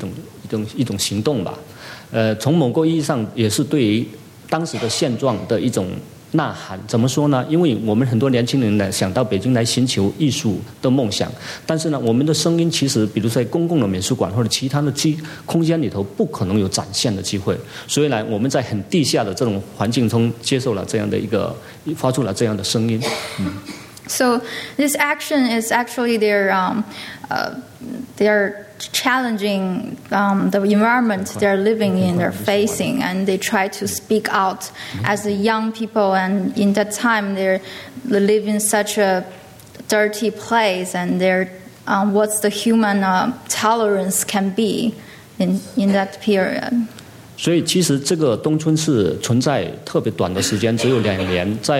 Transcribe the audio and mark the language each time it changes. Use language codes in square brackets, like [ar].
[zh] 我想这个就是对于当时的我们对于这个环境发出的一个挑战，包括人的忍耐力，我想这个是非常有力量的一个当时的一种行动吧。从某个意义上也是对于当时的现状的一种呐喊。怎么说呢？因为我们很多年轻人呢想到北京来寻求艺术的梦想，但是呢，我们的声音其实比如在公共的美术馆或者其他的空间里头不可能有展现的机会，所以呢，我们在很地下的这种环境中接受了这样的一个发出了这样的声音。So [en] this action is actually they're challenging the environment they're living in, they're facing, and they try to speak out as a young people. And in that time, they live in such a dirty place, and they're, what's the human tolerance can be in that period. [zh] 所以其实这个冬春是存在特别短的时间，只有两年。